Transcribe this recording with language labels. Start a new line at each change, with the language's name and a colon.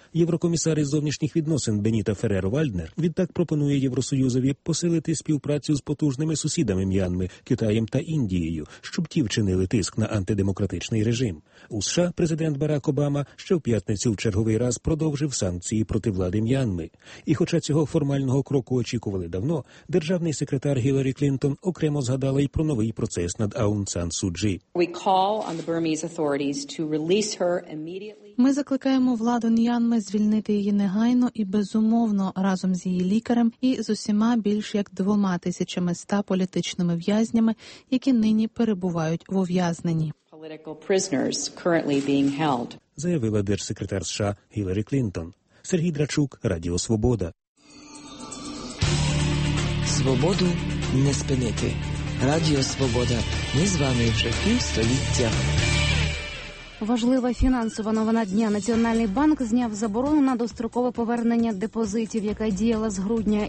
Ukrainian: Єврокомісар із зовнішніх відносин Беніта Ферер-Вальднер відтак пропонує Євросоюзові посилити співпрацю з потужними сусідами М'янми, Китаєм та Індією, щоб ті вчинили тиск на антидемократичний режим. У США президент Барак Обама ще в п'ятницю в черговий раз продовжив санкції проти влади М'янми. І хоча цього формального кроку очікували давно, державний секретар Гіларі Клінтон окремо згадала й про новий процес над Аун Сан Су Чжі.
English: We call on the Burmese authorities to release her immediately.
Ukrainian: Ми закликаємо владу М'янми звільнити її негайно і безумовно разом з її лікарем і з усіма більш як 2100 політичними в'язнями, які нині перебувають в ув'язненні.
English: Political prisoners currently being held.
Ukrainian: Заявила держсекретар США Гіларі Клінтон. Сергій Драчук, Радіо Свобода. Свободу не спинити. Радіо «Свобода». Ми з вами вже півстоліття. Важлива фінансова новина дня. Національний банк зняв заборону на дострокове повернення депозитів, яка діяла з грудня.